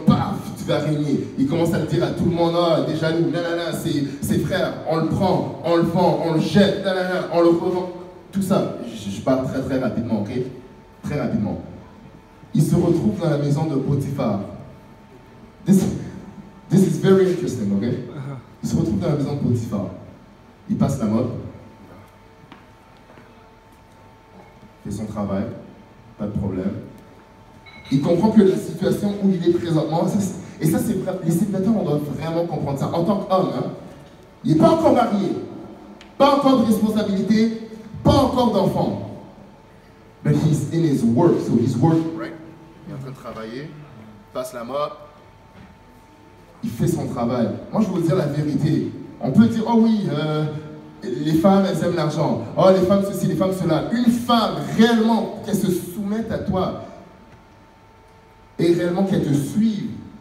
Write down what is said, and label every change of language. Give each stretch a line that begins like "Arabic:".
French: Paf, tu vas régner. Il commence à le dire à tout le monde. Oh, des jaloux, nanana, c'est ses frères. On le prend, on le vend, on le jette, nanana, on le revend. Tout ça. Je parle très, très rapidement, ok? Très rapidement. Il se retrouve dans la maison de Potiphar.
English: This is very interesting, ok?
French: Il se retrouve dans la maison de Potiphar. Il passe la mode. Son travail, pas de problème. Il comprend que la situation où il est présentement, ça c'est vrai, les célibataires, on doit vraiment comprendre ça. En tant qu'homme, hein, il n'est pas encore marié, pas encore de responsabilité, pas encore d'enfant.
English: But he's in his work, so he's working. Right.
French: Il est en train de travailler, passe la mort. Il fait son travail. Moi je veux dire la vérité. On peut dire, oh oui, les femmes, elles aiment l'argent. Oh, les femmes ceci, les femmes cela. Une femme, réellement, qu'elle se soumette à toi et réellement qu'elle te suive,